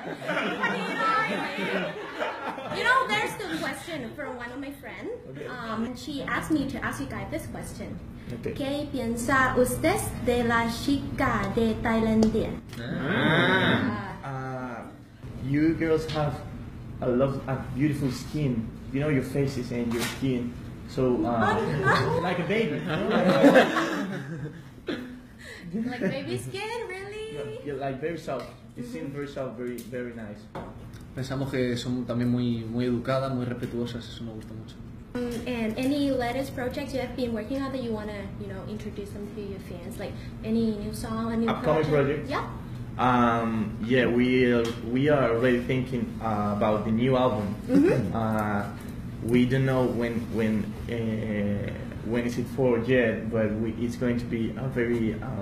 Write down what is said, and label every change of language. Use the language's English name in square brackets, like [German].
[English] You know, there's the question from one of my friends. She asked me to ask you guys this question. Okay. [Spanish] ¿Qué piensa usted de la chica de Tailandia? [English] Ah. You girls have a beautiful skin. You know, your faces and your skin. So, like a baby. Like baby skin, really? You're like very soft. You seem very soft, very, very nice. [Spanish] Pensamos que son también muy, muy educadas, muy respetuosas, eso me gusta mucho. [English] And any latest projects you have been working on that you wanna, you know, introduce them to your fans? Like any new song, a new upcoming project? Yeah. Yeah, we are already thinking about the new album. Mm-hmm. We don't know when is it for yet, but it's going to be a very.